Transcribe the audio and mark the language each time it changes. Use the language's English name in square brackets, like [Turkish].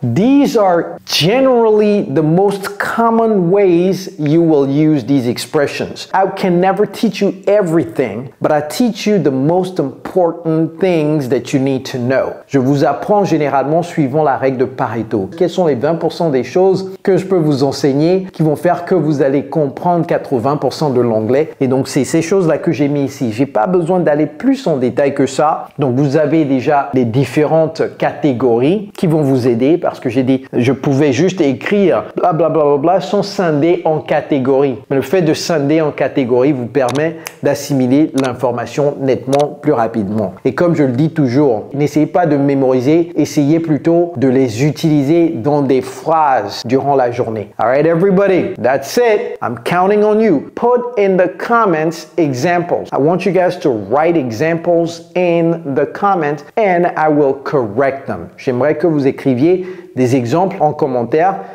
[English] These are generally the most common ways you will use these expressions. I can never teach you everything, but I teach you the most important things that you need to know. [French] Je vous apprends généralement suivant la règle de Pareto. Quelles sont les 20% des choses que je peux vous enseigner qui vont faire que vous allez comprendre 80% de l'anglais? Et donc, c'est ces choses-là que j'ai mis ici. J'ai pas besoin d'aller plus en détail que ça. Donc, vous avez déjà les différentes catégories qui vont vous aider parce que j'ai dit, je pouvais juste écrire blablabla sans scinder en catégories. Mais le fait de scinder en catégories vous permet d'assimiler l'information nettement plus rapidement. Et comme je le dis toujours, n'essayez pas de mémoriser, essayez plutôt de les utiliser dans des phrases durant la journée. [English] All right, everybody, that's it. I'm counting on you. Put in the comments examples. I want you guys to write examples in the comments and I will correct them. [French] J'aimerais que vous écriviez des exemples en commentaire.